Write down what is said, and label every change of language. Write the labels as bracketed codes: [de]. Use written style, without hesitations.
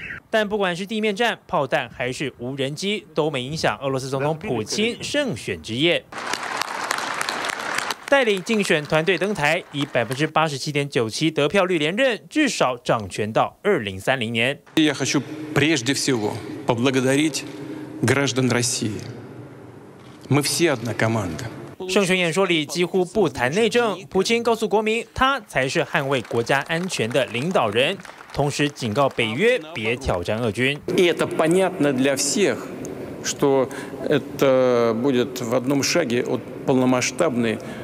[zh] 但不管是地面战、炮弹还是无人机，都没影响俄罗斯总统普京胜选之夜。带领竞选团队登台，以87.97%得票率连任，至少掌权到2030年。 [ru] Я хочу прежде всего поблагодарить граждан России. Мы все одна команда. [zh] 胜选演说里几乎不谈内政，普京告诉国民，他才是捍卫国家安全的领导人，同时警告北约别挑战俄军。 [ru] Это понятно для всех, что это будет в одном шаге от полномасштабной.